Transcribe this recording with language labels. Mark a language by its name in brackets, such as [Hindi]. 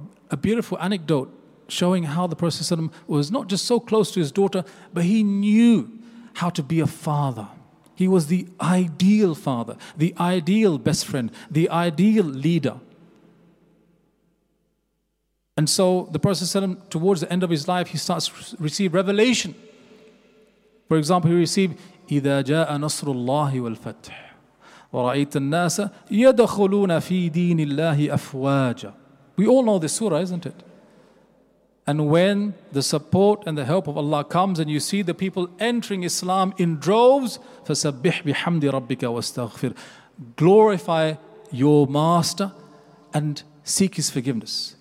[English] A beautiful anecdote showing how the Prophet was not just so close to his daughter, but he knew how to be a father. He was the ideal father, the ideal best friend, the ideal leader. And so the Prophet, towards the end of his life, he starts to receive revelation. For example, he received, [Arabic] إِذَا جَاءَ نَصْرُ اللَّهِ وَالْفَتْحِ وَرَأَيْتَ النَّاسَ يَدَخُلُونَ فِي دِينِ اللَّهِ أَفْوَاجًا. [English] We all know this surah, isn't it? And when the support and the help of Allah comes and you see the people entering Islam in droves, [Arabic] فَسَبِّحْ بِحَمْدِ رَبِّكَ وَاسْتَغْفِرْ. [English] Glorify your master and seek his forgiveness.